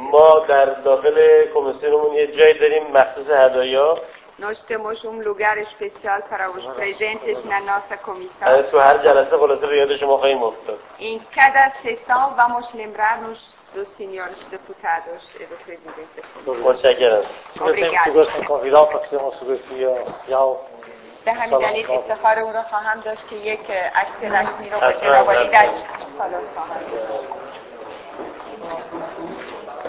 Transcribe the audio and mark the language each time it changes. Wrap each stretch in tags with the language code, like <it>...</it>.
<fa>ما در داخل کمیسیونمون یه جای داریم مخصوص هدایا.</fa> <pt>Nós temos lugar especial para os presentes na nossa comissão.</pt> <fa>تو هر جلسه خلاصه به یاد شما خواهیم افتاد.</fa> <pt>Em cada sessão vamos lembrar-nos dos senhores deputados e do presidente.</pt> <fa>متشکرم.</fa> <pt>Obrigado. Gostaria de convidar para fazer uma fotografia oficial.</pt> <fa>به همین دلیل افتخار اون رو خواهم داشت که یک عکس رسمی رو به جناب عالی در سالن خواهم داشت.</fa>